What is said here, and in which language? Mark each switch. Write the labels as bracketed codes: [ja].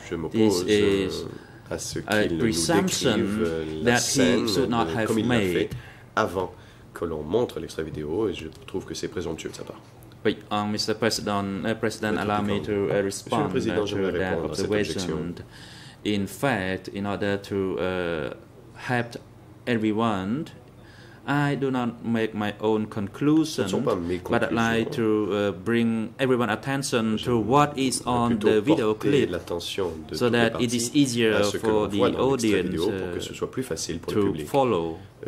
[en] This is a presumption that he should not have made. [fr] Avant que l'on montre l'extrait vidéo, et je trouve que c'est présomptueux de sa part. Oui, Mr. [en] President, President, allow me to respond to that observation. In fact, in order to help everyone, I do not make my own conclusion, but I'd like to bring everyone's attention to what is on the video clip so that it is easier for the audience to follow.